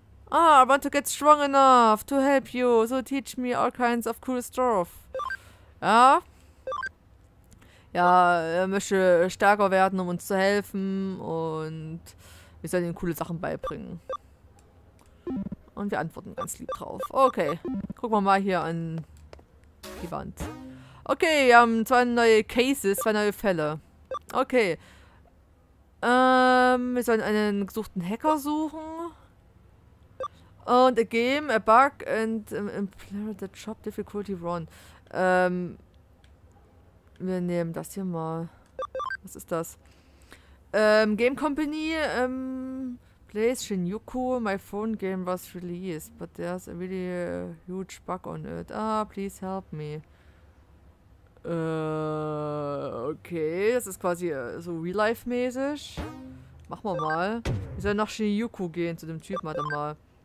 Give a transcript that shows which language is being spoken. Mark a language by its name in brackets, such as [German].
[English] Ah, I want to get strong enough to help you. So teach me all kinds of cool stuff. Ja. [German] Ja, er möchte stärker werden, um uns zu helfen. Und wir sollen ihm coole Sachen beibringen. Und wir antworten ganz lieb drauf. Okay, gucken wir mal hier an die Wand. Okay, wir haben zwei neue Cases, zwei neue Fälle. Okay. Wir sollen einen gesuchten Hacker suchen. [English] Und a game, a bug, and implement the job difficulty run. [German] Wir nehmen das hier mal. Was ist das? [English] Game Company, Place Shinjuku, my phone game was released, but there's a really huge bug on it. Ah, please help me. [German] Okay, das ist quasi so real-life-mäßig. Machen wir mal. Wir sollen nach Shinjuku gehen, zu dem Typen, warte mal.